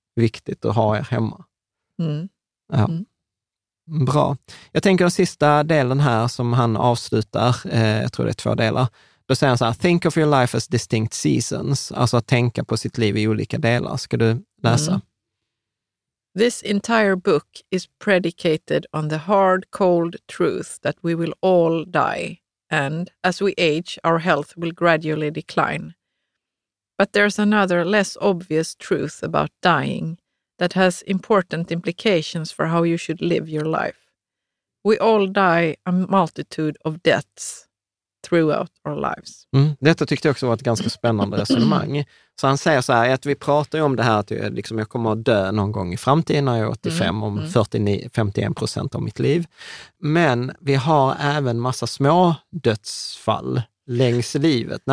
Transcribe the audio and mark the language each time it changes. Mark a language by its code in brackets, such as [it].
[sv] viktigt att ha er hemma. Mm. Ja. Bra. Jag tänker den sista delen här som han avslutar, jag tror det är två delar. Då säger han så här, [en] think of your life as distinct seasons. [sv] Alltså att tänka på sitt liv i olika delar. Ska du läsa? [en] This entire book is predicated on the hard, cold truth that we will all die. And as we age, our health will gradually decline. But there's another less obvious truth about dying that has important implications for how you should live your life. We all die a multitude of deaths throughout our lives. Mm. [sv] Detta tyckte jag också var ett ganska spännande resonemang. Så han säger så här, att vi pratar ju om det här att jag, liksom, jag kommer att dö någon gång i framtiden när jag är 85, om 51% av mitt liv. Men vi har även massa små dödsfall längs livet.